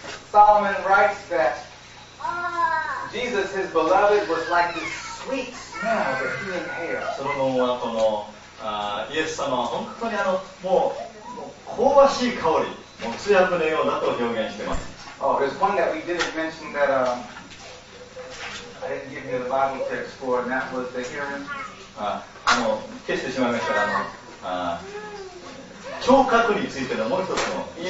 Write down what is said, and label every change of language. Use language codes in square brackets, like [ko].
[en] Solomon writes that Jesus, his beloved, was like this sweet smell that he inhaled. [ja] ソロモンはこのイエス様は本当にあのもう香ばしい香り、木薬のようだと表現しています。 [en] Oh, there's one that we didn't mention that I didn't give you the Bible text for, and that was the hearing. [ja] あの、消してしまいましたが、聴覚についてのもう一つの